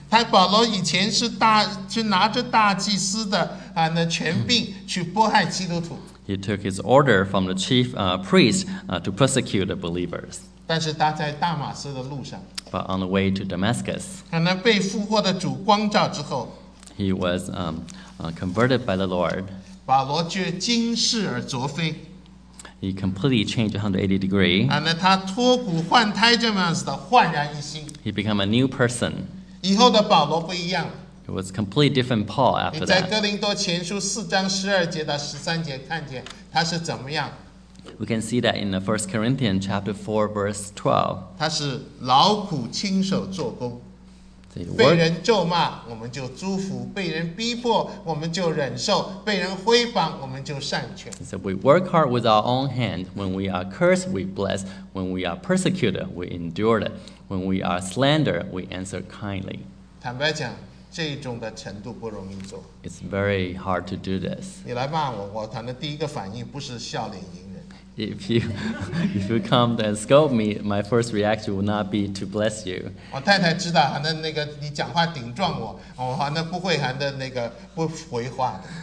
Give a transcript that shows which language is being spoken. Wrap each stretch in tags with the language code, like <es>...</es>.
<zh>他保罗以前是大，就拿着大祭司的那权柄去迫害基督徒。</zh> <en>He took his order from the chief priest to persecute the believers.</en> <zh>但是他在大马士的路上。</zh> <en>But on the way to Damascus.</en> <zh>那被复活的主光照之后。</zh> <en>He was converted by the Lord.</en> <zh>保罗却今世而昨非。</zh> <en>He completely changed 180 degrees. He became a new person. It was a completely different Paul after that.</en> <zh>在哥林多前书四章十二节到十三节看见他是怎么样。</zh> <en>We can see that in the 1 Corinthians chapter 4, verse 12.</en> <zh>他是劳苦亲手做工。被人咒骂，我们就祝福；被人逼迫，我们就忍受；被人毁谤，我们就善劝。</zh> <en>He said, "We work hard with our own hand. When we are cursed, we bless. When we are persecuted, we endure it. When we are slandered, we answer kindly."</en> <zh>坦白讲，这种的程度不容易做。</zh> <en>It's very hard to do this.</en> <zh>你来骂我，我可能第一个反应不是笑脸迎人。</zh> <en>If you come and scold me, my first reaction will not be to bless you.</en> <zh>我太太知道，反正那个你讲话顶撞我，我反正不会，反正那个不回话。</zh>